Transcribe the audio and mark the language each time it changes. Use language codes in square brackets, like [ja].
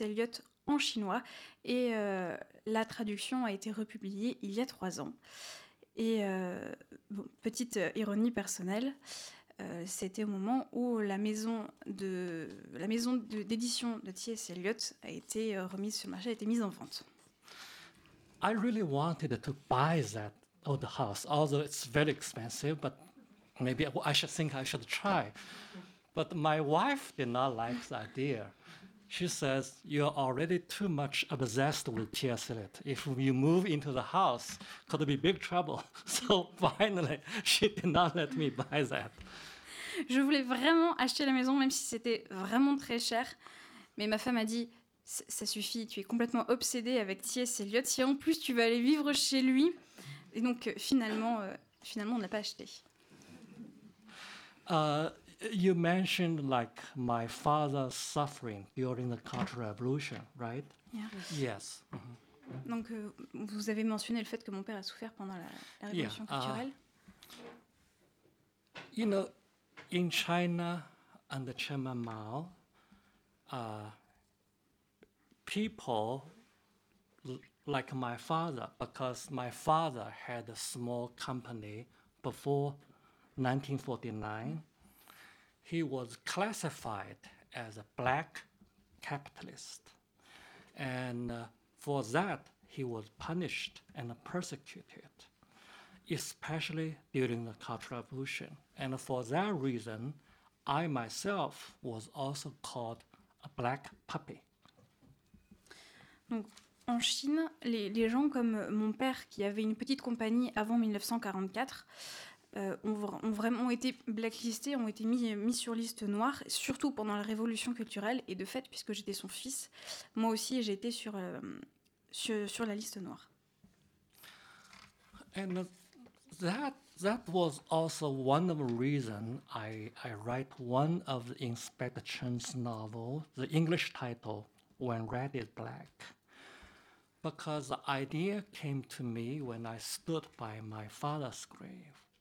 [fr] Eliot en chinois et la traduction a été republiée il y a 3 ans. Et petite ironie personnelle, c'était au moment où la maison d'édition de T.S. Eliot a été remise sur le marché, a été mise en vente. [en] I really wanted to buy that old house, although it's very expensive, but maybe I should try. But my wife did not like the idea. She says, you're already too much obsessed with T.S. Eliot. If you move into the house, could be big trouble. So finally, she did not let me buy that. [fr] Je voulais vraiment acheter la maison, même si c'était vraiment très cher. Mais ma femme a dit, ça suffit, tu es complètement obsédée avec T.S. Eliot. Si en plus, tu veux aller vivre chez lui. Et donc, finalement, on n'a pas acheté. [en] You mentioned like my father suffering during the Cultural Revolution, right? Yeah. Yes. Mm-hmm. [fr] Donc vous avez mentionné le fait que mon père a souffert pendant la révolution culturelle. [en] In China under Chairman Mao, people like my father, because my father had a small company before 1949. Mm-hmm. He was classified as a black capitalist. And for that, he was punished and persecuted, especially during the Cultural Revolution. And for that reason, I myself was also called a black puppy. [fr] Donc, en Chine, les gens comme mon père, qui avait une petite compagnie avant 1944, ont vraiment été blacklistés, ont été mis sur liste noire, surtout pendant la révolution culturelle. Et de fait, puisque j'étais son fils, moi aussi j'ai été sur la liste noire. [en] And that was also one of the reasons I write one of the Inspector Chen's novel. The English title, When Red is Black. Because the idea came to me when I stood by my father's grave.